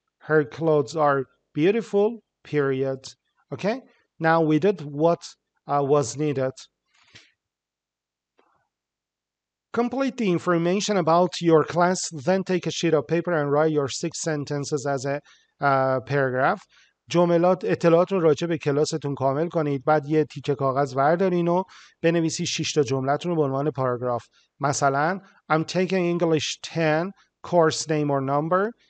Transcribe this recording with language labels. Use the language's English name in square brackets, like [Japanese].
[English] Her clothes are beautiful. Period. Okay. Now we did what was needed. Complete the information about your class, then take a sheet of paper and write your 6 sentences as a paragraph. [Persian] جملات اطلاعات رو راجع به کلاستون کامل کنید. بعد یه تیکه کاغذ بردارین و بنویسی 6 تا جملتون رو به عنوان پاراگراف. [English] مثلا I'm taking English 10, course name or number.